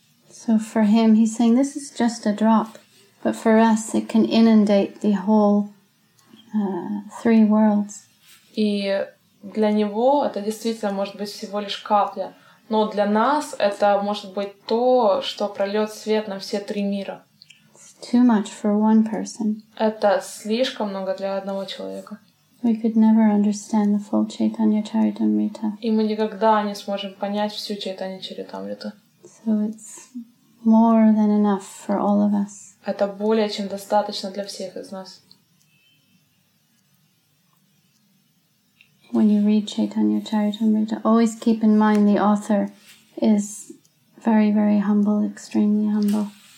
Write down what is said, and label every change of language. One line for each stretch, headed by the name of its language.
English: So for him, he's saying this is just a drop, but for us it can inundate the whole three worlds.
Russian: И для него это действительно может быть всего лишь капля. Но для нас это может быть то, что прольет свет на все три мира.
English: It's too much for one person.
Russian: Это слишком много для одного человека.
English: We could never understand the full Chaitanya Charitamrita.
Russian: И мы никогда не сможем понять всю Чайтанья Чаритамриту.
English: So it's more than enough for all of us.
Russian: Это более чем достаточно для всех из нас.
English: When you read Chaitanya Charitamrita, always keep in mind the author is very, very humble, extremely humble.